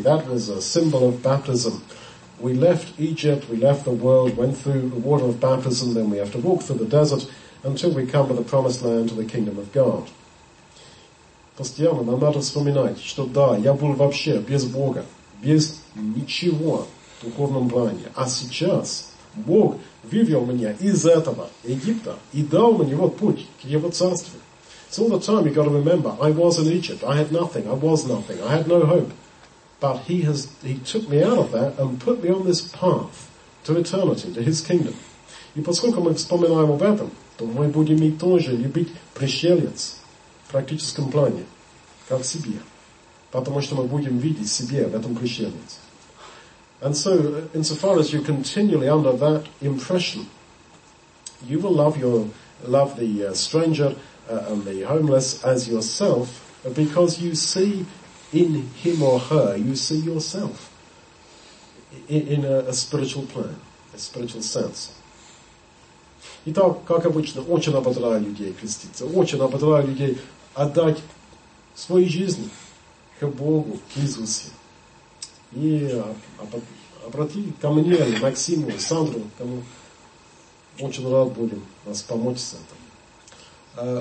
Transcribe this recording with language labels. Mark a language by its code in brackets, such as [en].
[en] That was a symbol of baptism. We left Egypt, we left the world, went through the water of baptism, then we have to walk through the desert until we come to the promised land, to the kingdom of God. [ru] Постоянно нам надо вспоминать, что да, я был вообще без Бога, без ничего. В духовном плане. А сейчас Бог вывел меня из этого Египта и дал мне вот путь к Его Царству. [en] So all the time you've got to remember, I was in Egypt, I had nothing, I was nothing, I had no hope. But He took me out of that and put me on this path to eternity, to His kingdom. [ru] И поскольку мы вспоминаем об этом, то мы будем и тоже любить пришелец в практическом плане, как себе. Потому что мы будем видеть себе в этом пришелеце. [en] And so, insofar as you're continually under that impression, you will love the stranger and the homeless as yourself, because you see in him or her, you see yourself in a spiritual plan, a spiritual sense. [ru] Итак, как обычно, очень ободряю людей креститься, очень ободряю людей отдать свою жизнь к Богу, к Иисусу. И обрати ко мне, Максиму, Сандру, кому очень рад будем вас помочь с этим.